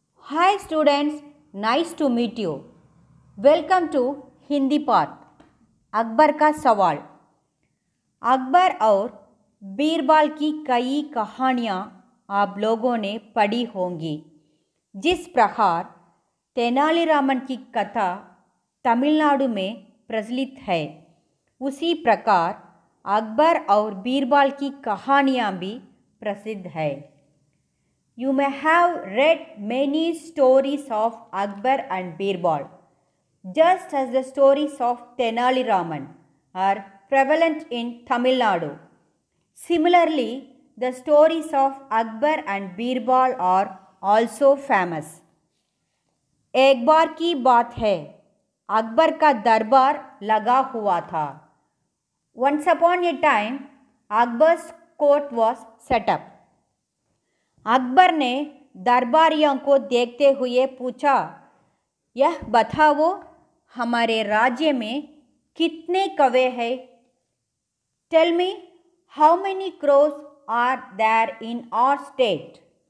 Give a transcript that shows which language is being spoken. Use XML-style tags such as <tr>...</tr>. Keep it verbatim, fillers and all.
<en>Hi students, nice to meet you. Welcome to</en> <hi>Hindi पाठ। अकबर का सवाल। अकबर और बीरबल की कई कहानियाँ आप लोगों ने पढ़ी होंगी। जिस प्रकार तेनालीरामन की कथा तमिलनाडु में प्रचलित है, उसी प्रकार अकबर और बीरबल की कहानियाँ भी प्रसिद्ध है।</hi> <en>You may have read many stories of Akbar and Birbal, just as the stories of Tenaliraman are prevalent in Tamil Nadu. Similarly, the stories of Akbar and Birbal are also famous.</en> <hi>एक बार की बात है, अकबर का दरबार लगा हुआ था।</hi> <en>Once upon a time, Akbar's court was set up.</en> <hi>Akbar ने दरबारियों को देखते हुए पूछा, यह बताओ हमारे राज्य में कितने कौवे हैं?</hi> <en>Tell me how many crows are there in our state.</en>